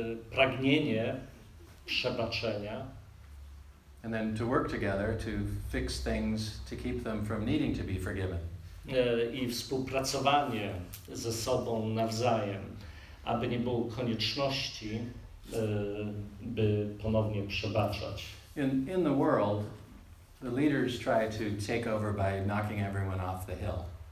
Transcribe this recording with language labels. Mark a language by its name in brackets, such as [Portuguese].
[Polish] Pragnienie przebaczenia. [English] And then to work together to fix things to keep them from needing to be forgiven. [Polish] I współpracowanie ze sobą nawzajem, aby nie było konieczności, by ponownie przebaczać. [English] In the world, the leaders try to take over by knocking everyone off the hill.